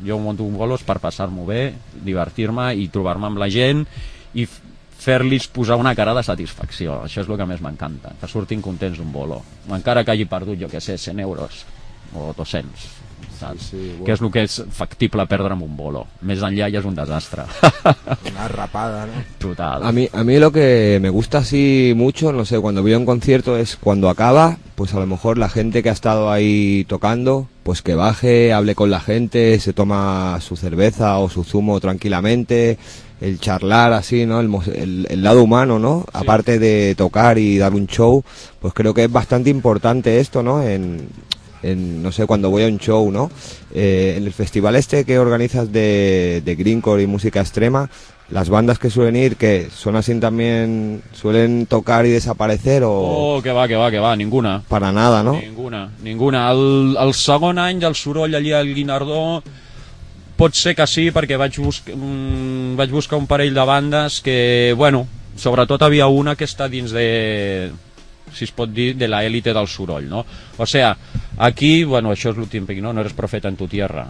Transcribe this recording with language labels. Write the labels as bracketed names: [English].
[Catalan] Jo monto un bolos per passar-m'ho bé, divertir-me i trobar-me amb la gent i fer-los posar una cara de satisfacció. Això és el que més m'encanta, que surtin contents d'un bolo, encara que hagi perdut, jo què sé, 100 euros o 200, saps? Sí, sí, bueno. Que és el que és factible perdre amb un bolo. Més enllà ja és un desastre. Una rapada, no? Total. [Spanish] A mi lo que me gusta así mucho, no sé, cuando voy a un concierto es cuando acaba... pues a lo mejor la gente que ha estado ahí tocando, pues que baje, hable con la gente, se toma su cerveza o su zumo tranquilamente, el charlar así, ¿no? El lado humano, ¿no? Sí. Aparte de tocar y dar un show, pues creo que es bastante importante esto, ¿no? En no sé, cuando voy a un show, ¿no? En el festival este que organizas de Greencore y música extrema, las bandas que suelen ir, que son así también, suelen tocar y desaparecer o... Oh, que va, ninguna. Para nada, ¿no? Ninguna. [Catalan] El segon any del soroll allí al Guinardó, pot ser que sí, perquè vaig buscar un parell de bandes que, bueno, sobretot havia una que està dins de... si es pot dir, de l'elite del soroll, no? [Spanish] O sea, [Catalan] aquí, bueno, això és l'últim pic, [Spanish] no eres profeta en tu tierra.